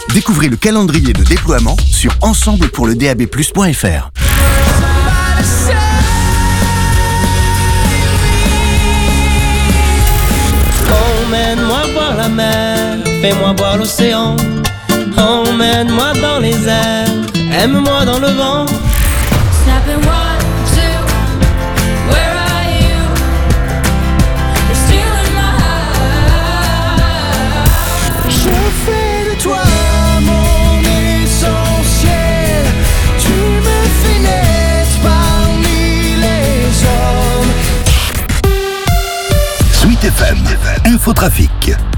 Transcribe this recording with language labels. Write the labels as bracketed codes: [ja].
[fr] Découvrez le calendrier de déploiement sur ensemblepourledabplus.fr. Emmène-moi voir la mer, fais-moi voir l'océan. Emmène-moi dans les airs, aime-moi dans le vent. [en] Snap and one, two, where are you? You're still in my heart. [fr] Je fais de toi mon essentiel. Tu me fais naître parmi les hommes. Sweet FM, infotrafic.